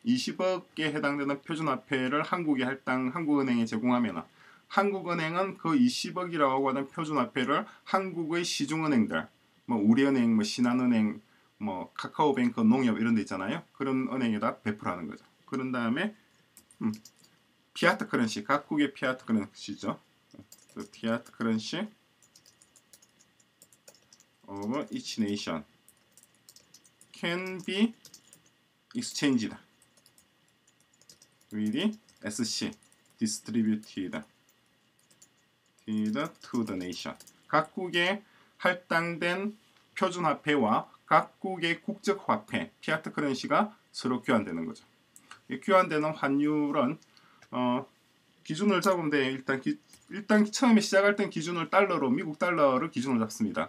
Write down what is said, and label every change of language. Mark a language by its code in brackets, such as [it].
[ko] 20억에 해당되는 표준화폐를 한국에 할당 한국은행에 제공하면 한국은행은 그 20억이라고 하는 표준화폐를 한국의 시중은행들 뭐 우리은행, 뭐 신한은행, 뭐 카카오뱅크, 농협 이런 데 있잖아요. 그런 은행에다 배포를 하는 거죠. 그런 다음에 피아트 크런시, 각국의 피아트 크런시죠. [en] 피아트 크런시 of each nation can be exchanged with SC distributed to the nation. [ko] 각국에 할당된 표준화폐와 각국의 국적 화폐, 피아트 크런시가 서로 교환되는 거죠. 이 교환되는 환율은 기준을 잡으면 돼요. 일단 처음에 시작할 땐 기준을 달러로 미국 달러를 기준으로 잡습니다.